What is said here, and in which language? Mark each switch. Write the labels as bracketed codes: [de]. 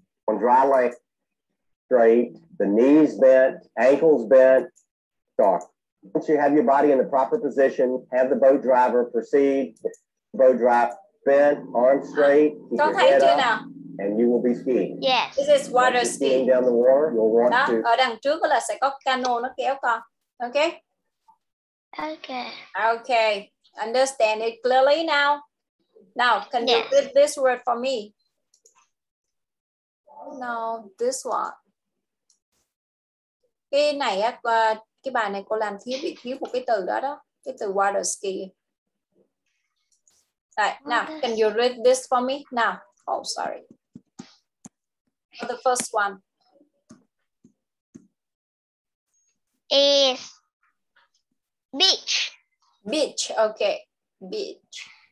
[en] On dry land, straight, the knees bent, ankles bent, dark. Once you have your body in the proper position, have the boat driver proceed. Boat drive bent, arms straight, keep your head up, and you will be skiing. Yes. This is water skiing down the water, you'll want to. [vi] Ở đằng trước là sẽ có cano nó kéo con. [en] Okay? Okay. Okay. Understand it clearly now? Now, can you read this word for me? No, this one. [vi] Cái này á, cái bài này cô làm thiếu một cái từ đó đó, cái từ water ski. [en] Right, now, can you read this for me? Now, oh, sorry. For the first one. Is beach. Beach, okay. Beach.